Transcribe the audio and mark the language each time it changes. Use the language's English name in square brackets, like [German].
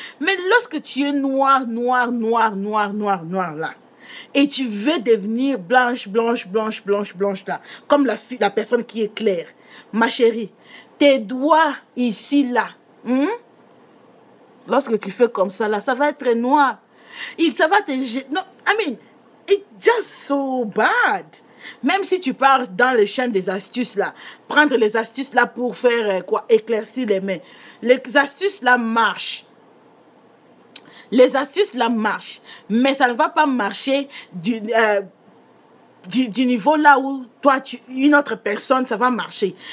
[French] Mais lorsque tu es noir là, et tu veux devenir blanche là, comme la personne qui est claire, ma chérie, tes doigts ici là, lorsque tu fais comme ça là, ça va être noir. Et ça va te gêner. [English] Non, I mean, it's just so bad. [French] Même si tu pars dans les chaînes des astuces là, prendre les astuces là pour faire quoi, éclaircir les mains. Les astuces là marchent. Les astuces là marchent. Mais ça ne va pas marcher du niveau là où toi, une autre personne, ça va marcher.